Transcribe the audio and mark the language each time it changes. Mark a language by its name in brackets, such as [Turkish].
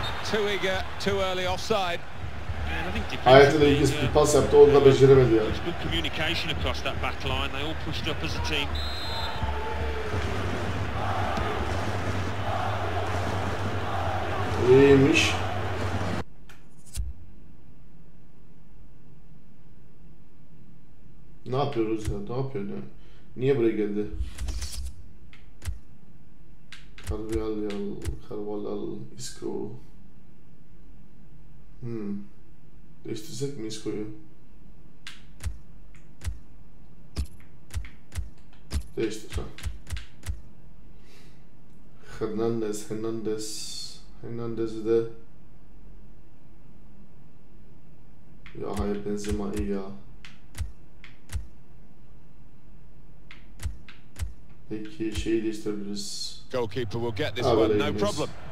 [English] Too eager, too early offside. [Turkish] Hayatında ilk bir pas yaptı, onu da beceremedi yani. [English] Good communication across that back line. They all pushed up as a team. [Turkish] İyiymiş. Ne yapıyoruz ya? Ne yapıyorsun? Niye buraya geldi? Karbiyal, Karbalal, Iskro. Değiştirsek mi Isco'yu? Değiştir. Hernandez'i de... Ya hayır, Benzema iyi ya. Peki şeyi değiştirebiliriz. [English] Goalkeeper will get this one, no problem.